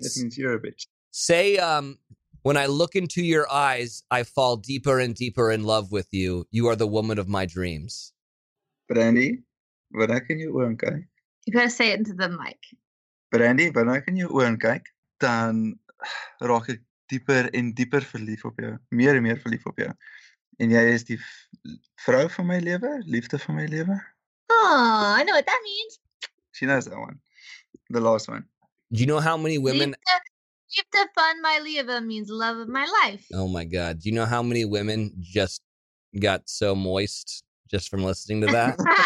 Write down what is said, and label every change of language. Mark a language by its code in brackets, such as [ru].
[en] That means you're a bitch. Say when I look into your eyes, I fall deeper and deeper in love with you. You are the woman of my dreams. [af] Brandy, wanneer jy oor kyk? [en] You gotta say it into the mic. [af] Brandy, wanneer jy oor kyk, dan raak ek dieper en dieper verlief op jou. Meer en meer verlief op jou. En jy is die vrou van my lewe, liefde van my lewe. [en] Oh, I know what that means. She knows that one. The last one. Do you know how many women... Keep the fun, my Leva means love of my life. Oh my God. Do you know how many women just got so moist just from listening to that?